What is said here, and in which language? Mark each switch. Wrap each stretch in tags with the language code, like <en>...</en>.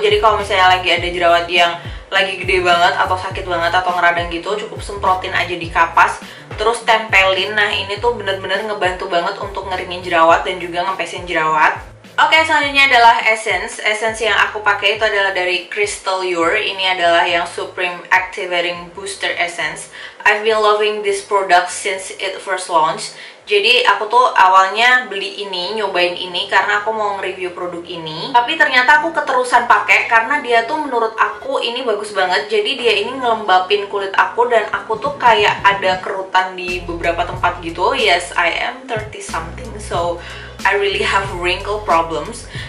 <id>Jadi kalau misalnya lagi ada jerawat yang lagi gede banget atau sakit banget atau ngeradang gitu, cukup semprotin aja di kapas terus tempelin. Nah, ini tuh bener-bener ngebantu banget untuk ngeringin jerawat dan juga ngempesin jerawat. Oke, selanjutnya adalah essence. Essence yang aku pakai itu adalah dari Crystal Yure. Ini adalah yang Supreme Activating Booster Essence.</id> <en>I've been loving this product since it first launched.</en> <id>Jadi aku tuh awalnya beli ini, nyobain ini karena aku mau nge-review produk ini. Tapi ternyata aku keterusan pakai karena dia tuh menurut aku ini bagus banget. Jadi dia ini ngelembapin kulit aku dan aku tuh kayak ada kerutan di beberapa tempat gitu.</id> <en>Yes, I am 30 something, so I really have wrinkle problems.</en>